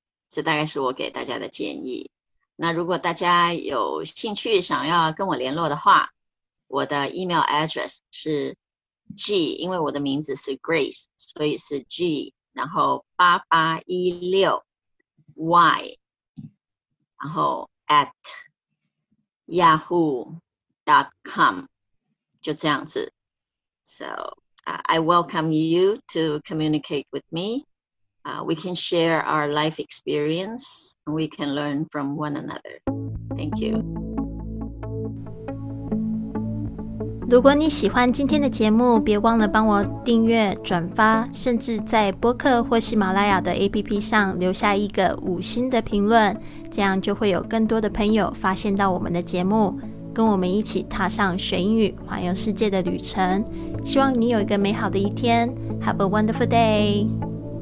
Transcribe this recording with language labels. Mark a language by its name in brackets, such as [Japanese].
[Chinese] 这大概是我给大家的建议。那如果大家有兴趣想要跟我联络的话，我的 email address 是 G， 因为我的名字是 Grace， 所以是 G， 然后8816 Y， 然后 @yahoo.com。就这样子。 [English] So, I welcome you to communicate with me. We can share our life experience and we can learn from one another. Thank you. [Chinese] 如果你喜欢今天的节目，别忘了帮我订阅、转发，甚至在播客或喜马拉雅的 APP 上留下一个五星的评论，这样就会有更多的朋友发现到我们的节目，跟我们一起踏上学英语环游世界的旅程。希望你有一个美好的一天。 [English] Have a wonderful day.